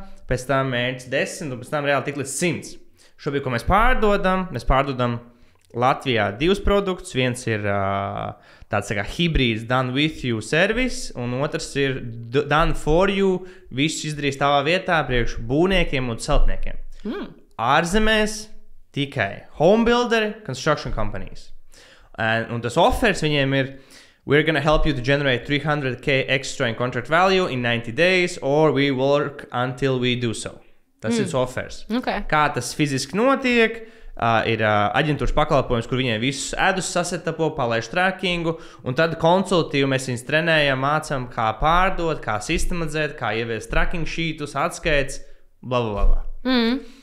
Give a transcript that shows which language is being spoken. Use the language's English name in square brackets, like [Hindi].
[Latvian] Pēc tam mērķis 10 un pēc tam reāli tikt līdz 100. Šobrīd, ko mēs pārdodam Latvijā divus produktus, viens ir tāds tā kā hybrids [English] done with you service, [Latvian] un otrs ir [English] done for you, [Latvian] viss izdarīs tavā vietā priekš būvniekiem un celtniekiem. [English] Mm. [Latvian] Ārzemēs tikai [English] home builder, construction companies. [Latvian] Un tas offers viņiem ir, [English] we're gonna help you to generate 300k extra in contract value in 90 days, or we work until we do so. [Latvian] Tas ir offers. Okay. Kā tas fiziski notiek? Ir aģentūras pakalpojums, kur viņiem visus ēdus sasetapo, palaišu trackingu, un tad konsultīvi mēs viņus trenējam, mācam, kā pārdot, kā sistematizēt, kā ieviest tracking sheetus, atskaits, blablabla. Mm.